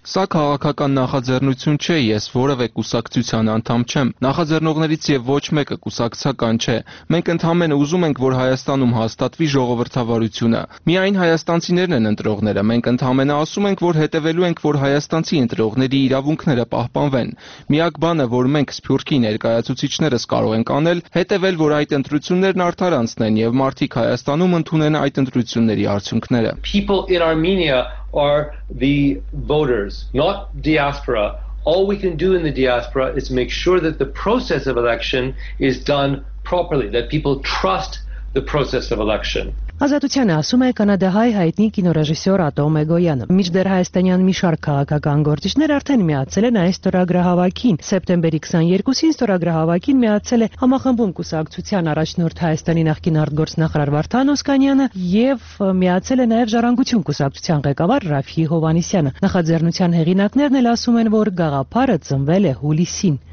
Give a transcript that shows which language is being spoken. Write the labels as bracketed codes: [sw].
[hy] Սա քաղաքական նախաձեռնություն չէ, ես որևէ կուսակցության անդամ չեմ։ Նախաձեռնողներից եւ ոչ մեկը կուսակցական չէ։ Մենք ընդհանրապես ուզում ենք, որ Հայաստանում հաստատվի ժողովրդավարությունը։ Միայն հայաստանցիներն են ընտրողները։ Մենք ընդհանրապես ասում ենք, որ հետևելու ենք, որ հայաստանցի ընտրողների իրավունքները պահպանվեն։ Միակ բանը, որ մենք Սփյուռքի ներկայացուցիչներս կարող ենք անել, հետևել, որ այդ ընտրություններն արդար անցնեն եւ մարդիկ Հայաստանում ընդունեն այդ ընտրությունների արդյունքները։ [en] People in Armenia are the voters, not diaspora. All we can do in the diaspora is make sure that the process of election is done properly, that people trust the process of election. [hy] Ազատությանը ասում է կանադահայ հայտնի կինոռեժիսոր Ատոմ Էգոյանը։ Միջդեռ հայաստանյան մի շարք քաղաքական գործիչներ արդեն միացել են այս ստորագրահավաքին։ Սեպտեմբերի 22-ին ստորագրահավաքին միացել է համախմբում կուսակցության առաջնորդ Հայաստանի նախկին արտգործնախարար Վարդան Օսկանյանը և միացել է նաև ժառանգություն կուսակցության ղեկավար Ռաֆի Հովանիսյանը։ Նախաձեռնության հեղինակներն էլ ասում են, որ գաղափարը ծնվել է հուլիսին։